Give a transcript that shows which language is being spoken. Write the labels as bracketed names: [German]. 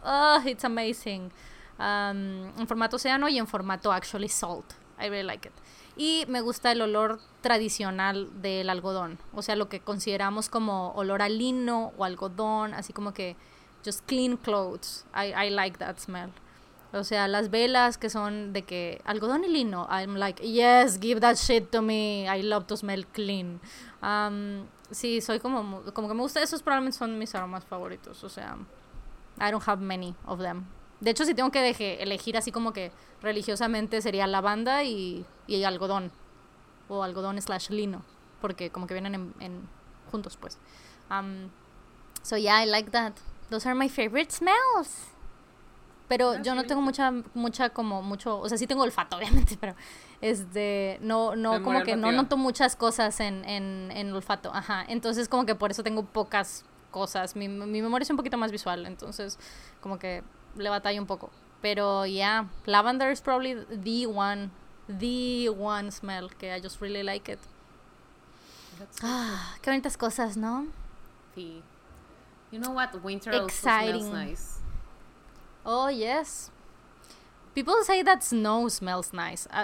[English] Oh, it's amazing. [Spanish] En formato océano y en formato [English] actually salt. I really like it. [Spanish] Y me gusta el olor tradicional del algodón. O sea, lo que consideramos como olor a lino o algodón, así como que [English] just clean clothes. I like that smell. [Spanish] O sea, las velas que son de que algodón y lino. [English] I'm like, yes, give that shit to me. I love to smell clean. [Spanish] Sí, soy como que me gusta. Esos probablemente son mis aromas favoritos. O sea, [English] I don't have many of them. [Spanish] De hecho, si tengo que elegir así como que religiosamente sería lavanda y algodón. O algodón / lino. Porque como que vienen en juntos, pues. [English] So yeah, I like that. Those are my favorite smells. [Spanish] Pero yo no tengo mucho, o sea, sí tengo olfato, obviamente, pero no como que no noto muchas cosas en olfato, ajá. Entonces como que por eso tengo pocas cosas. Mi memoria es un poquito más visual, entonces como que le batallo un poco. [English] Pero yeah, lavender is probably the one smell que I just really like it. [Spanish] Qué bonitas cosas, ¿no? [English] Sí. You know what? Winter exciting. Also smells nice. Oh, yes. People say that snow smells nice.